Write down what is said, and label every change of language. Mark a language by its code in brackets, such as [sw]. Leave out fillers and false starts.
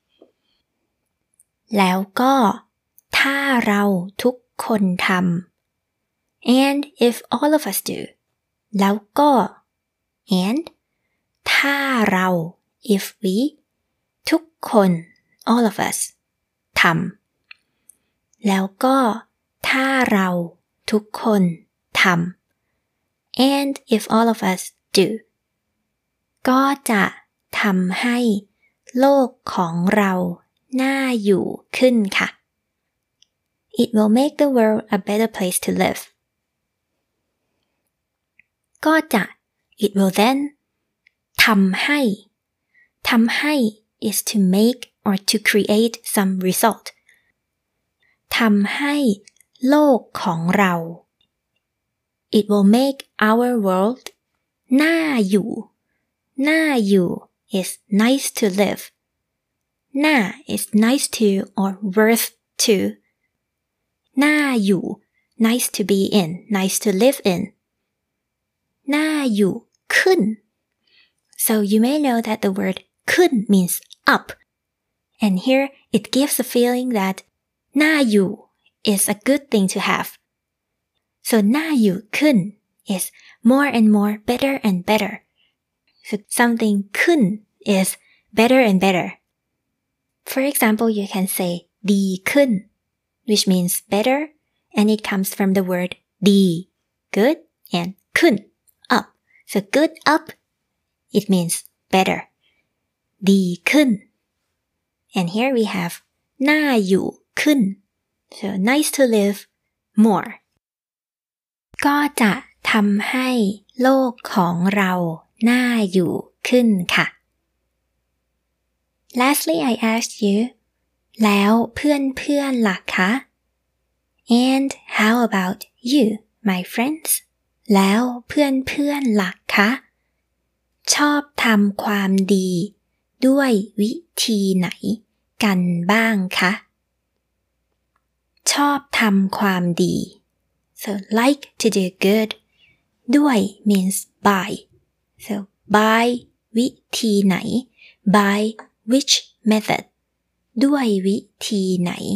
[en] ๆ [th] แล้วก็ถ้าเราทุกคนทำ [en] and if all of us do แล้วก็ and ถ้าเรา if we ทุกคน all of us ทำแล้วก็ถ้าเราทุกคนทำ and if all of us do [th] ก็จะทำให้โลกของเราน่าอยู่ขึ้นค่ะ [en] It will make the world a better place to live. ก็จะ It will then ทำให้ is to make or to create some result. ทำให้โลกของเรา It will make our world น่าอยู่ น่าอยู่ is nice to live. น่า is nice to or worth to. น่าอยู่ nice to be in nice to live in น่าอยู่ขึ้น so you may know that the word ขึ้น means up and here it gives a feeling that น่าอยู่ is a good thing to have so น่าอยู่ขึ้น is more and more better and better so something ขึ้น is better and better for example you can say ดีขึ้นwhich means better, and it comes from the word ดี good, and ขึ้น up. So good up, it means better. ดีขึ้น And here we have น่าอยู่ขึ้น So nice to live more. [th] ก็จะทำให้โลกของเราน่าอยู่ขึ้นค่ะ [en] Lastly, I asked you, [th] แล้วเพื่อนเพื่อนล่ะคะ [en] And how about you, my friends? [th] แล้วเพื่อนเพื่อนล่ะคะชอบทำความดี ด้วยวิธีไหนกันบ้างคะชอบทำความดี [en] so like to do good ด้วย means by so by วิธีไหน by which method ด้วยวิธีไหน